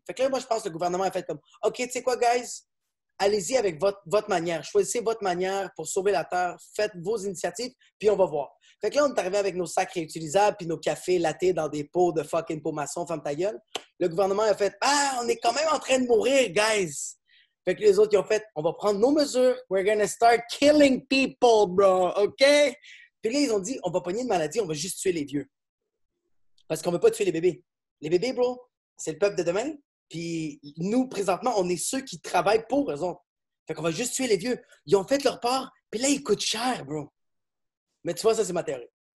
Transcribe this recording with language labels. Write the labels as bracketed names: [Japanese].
[French] Fait que là, moi, je pense que le gouvernement a fait comme, OK, tu sais quoi, guys? Allez-y avec votre manière. Choisissez votre manière pour sauver la Terre. Faites vos initiatives, puis on va voir. Fait que là, on est arrivé avec nos sacs réutilisables puis nos cafés lattés dans des pots de fucking pots maçons, ferme ta gueule. Le gouvernement a fait, ah, on est quand même en train de mourir, guys! Fait que les autres, ils ont fait, on va prendre nos mesures. [English] We're gonna start killing people, bro, OK? [French] Puis là, ils ont dit, on va pogner une maladie, on va juste tuer les vieux. Parce qu'on veut pas tuer les bébés. Les bébés, bro, c'est le peuple de demain. Puis nous, présentement, on est ceux qui travaillent pour eux autres. Fait qu'on va juste tuer les vieux. Ils ont fait leur part, puis là, ils coûtent cher, bro. Mais tu vois, ça, c'est ma théorie.